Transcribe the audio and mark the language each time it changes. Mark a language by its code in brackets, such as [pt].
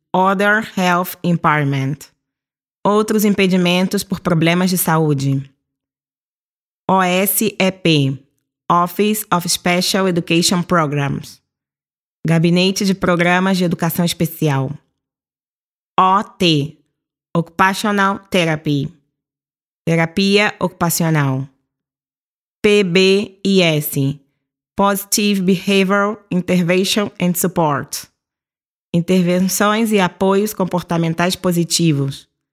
[en] Other Health Impairment. [pt] Outros impedimentos por problemas de saúde. [en] OSEP. Office of Special Education Programs. [pt] Gabinete de Programas de Educação Especial. [en] OT. Occupational Therapy. [pt] Terapia Ocupacional. [en] PBIS. Positive Behavioral Intervention and Support. [pt] Intervenções e apoios comportamentais positivos.